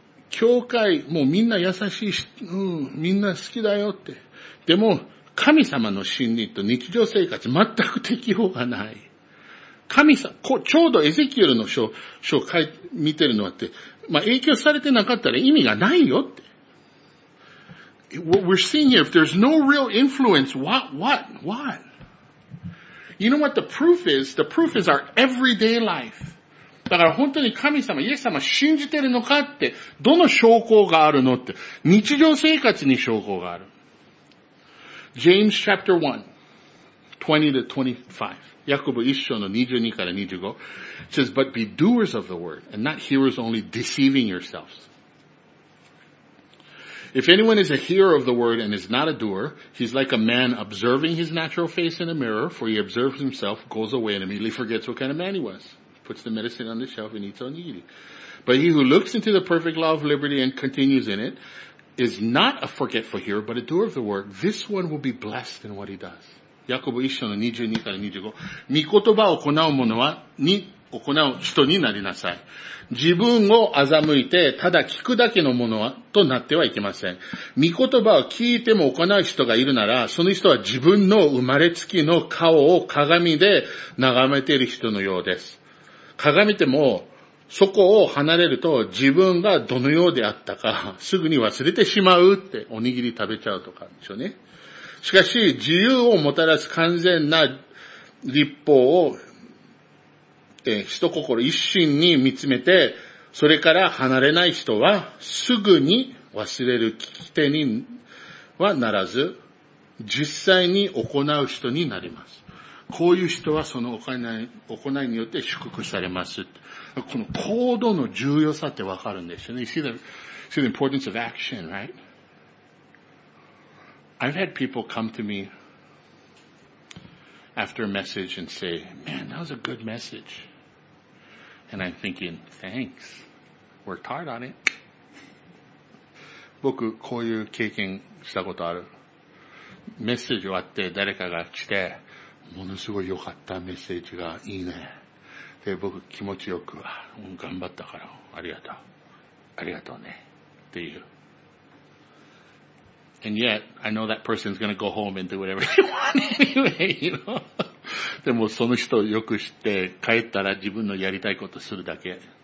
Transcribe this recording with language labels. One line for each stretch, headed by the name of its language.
Japanese: 教会、もうみんな優しいし、みんな好きだよって。でも、神様の真理と日常生活全く適応がない。神様、ちょうどエゼキエルの書を見てるのはって、まあ、影響されてなかったら意味がないよって。
English: What we're seeing here, if there's no real influence, what? You know what the proof is? The proof is our everyday life. だから本当に神様、イエス様信じてるのかって、どの証拠があるのって、日常生活に証拠がある。 James chapter 1:20-25.
Japanese: ヤコブ一章の22から25
English: says, but be doers of the word, and not hearers only deceiving yourselves. If anyone is a hearer of the word and is not a doer, he's like a man observing his natural face in a mirror, for he observes himself, goes away, and immediately forgets what kind of man he was. Puts the medicine on the shelf and eats onigiri. But he who looks into the perfect law of liberty and continues in it is not a forgetful hearer, but a doer of the word. This one will be blessed in what he does.
Japanese: ヤコブ一章の22から25。御言葉を行う者は、に、行う人になりなさい。自分を欺いて、ただ聞くだけのものは、となってはいけません。御言葉を聞いても行う人がいるなら、その人は自分の生まれつきの顔を鏡で眺めている人のようです。鏡でも、そこを離れると自分がどのようであったか、すぐに忘れてしまうって、おにぎり食べちゃうとかでしょうね。しかし、自由をもたらす完全な律法を、一心一心に見つめて、それから離れない人は、すぐに忘れる聞き手にはならず、実際に行う人になります。こういう人はその行いによって祝福されます。この行動の重要さってわかるんですよね。
English: You see the importance of action, right? I've had people come to me after a message and say, man, that was a good message. And I'm thinking, thanks. Worked hard on it.
Japanese: 僕、こういう経験したことある。メッセージ終わって誰かが来て、ものすごい良かったメッセージがいいね。で、僕気持ちよく、頑張ったから、ありがとう。ありがとうね。っていう。
English: And yet, I know that person's gonna go home and do whatever they want anyway, you know?
Japanese: でもその人をよく知って、帰ったら自分のやりたいことするだけ。